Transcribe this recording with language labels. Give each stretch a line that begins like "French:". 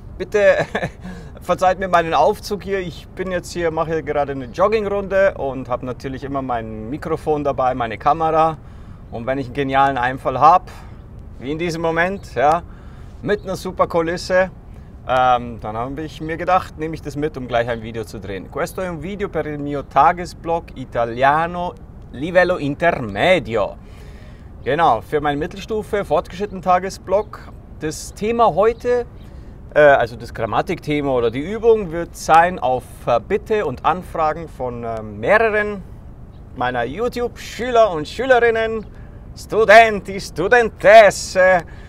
German: Bitte verzeiht mir meinen Aufzug hier. Ich bin jetzt hier, mache gerade eine Joggingrunde und habe natürlich immer mein Mikrofon dabei, meine Kamera. Und wenn ich einen genialen Einfall habe, wie in diesem Moment, ja, mit einer super Kulisse, dann habe ich mir gedacht, nehme ich das mit, um gleich ein Video zu drehen.
Italian: Questo è un video per il mio Tagesblog Italiano Livello Intermedio.
German: Genau, für meine Mittelstufe, fortgeschrittenen Tagesblock. Das Thema heute, also das Grammatikthema oder die Übung, wird sein auf Bitte und Anfragen von mehreren meiner YouTube-Schüler und Schülerinnen,
Italian: Studenti, Studentesse.